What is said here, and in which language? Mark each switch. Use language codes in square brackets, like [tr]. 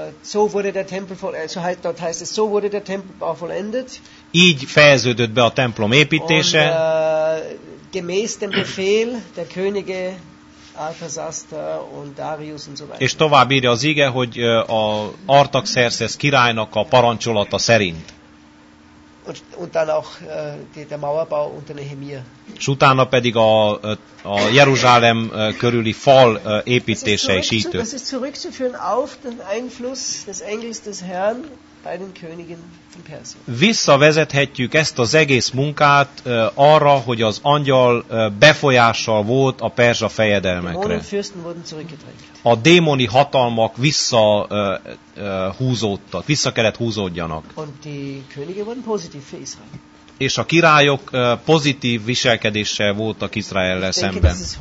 [de] So wurde der Tempel vollendet. [hu] Így fejeződött be a templom építése. [de] Gemäß dem Befehl der Könige Artaxerxes und Darius und so weiter. [hu] És tovább írja az ige, hogy a Artaxerxes királynak a parancsolata szerint. [de] Und dann auch der Mauerbau unter Nehemia. [hu] S utána pedig a Jeruzsálem körüli fal építése is így [de] történt. Das ist zurückzuführen auf den Einfluss des Engels des Herrn bei den Königen von Persien. [hu] Visszavezethetjük ezt az egész munkát arra, hogy az angyal befolyással volt a perzsa fejedelmekre. [de] Die Fürsten wurden zurückgedrängt. [hu] A démoni hatalmak vissza kellett húzódjanak. [de] Und die Könige wurden positiv für Israel. [hu] És a királyok pozitív viselkedéssel voltak Izraellel szemben.